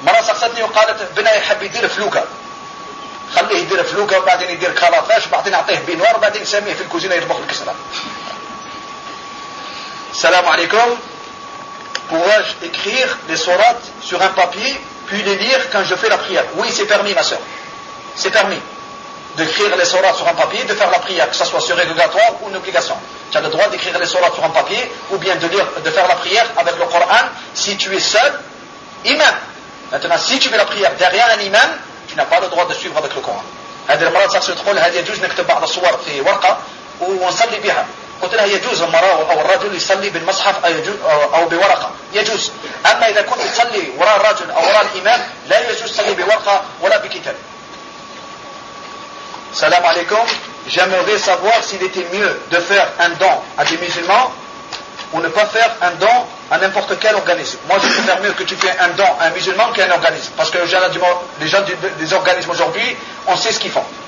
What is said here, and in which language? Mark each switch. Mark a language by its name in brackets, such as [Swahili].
[Arabic] مرة سقستني وقالت ابنها يحب يدير فلوكة، خليه يدير فلوكة وبعدين يدير كالافاش وبعدين يعطيه بينوار وبعدين يسميه في الكوزينة يطبخ الكسرة. السلام عليكم. [French] Pourrais-je écrire les sourates sur un papier puis les lire quand je fais la prière? Oui, c'est permis, ma soeur. C'est permis d'écrire les sourates sur un papier, de faire la prière, que ce soit sur régulatoire ou une obligation. Tu as le droit d'écrire les sourates sur un papier ou bien de lire, de faire la prière avec le Coran si tu es seul, imam. Maintenant, si tu fais la prière derrière un imam, tu n'as pas le droit de suivre avec le Coran. [Arabic] هذه المرأة تسأل تقول هذه جوز نكتب بعض الصور في ورقة ونصلي بها. قلت لها يجوز المرأة أو الرجل يصلي بالمصحف أو بورقة، يجوز. أما إذا كنت تصلي وراء الرجل أو وراء الإمام لا يجوز تصلي بورقة ولا بكتاب. السلام عليكم. [French] J'aimerais savoir s'il était mieux de faire un don à des musulmans ou ne pas faire un don à n'importe quel organisme. Moi je préfère mieux que tu fais un don à un musulman qu'à un organisme, parce que les gens des organismes aujourd'hui, on sait ce qu'ils font.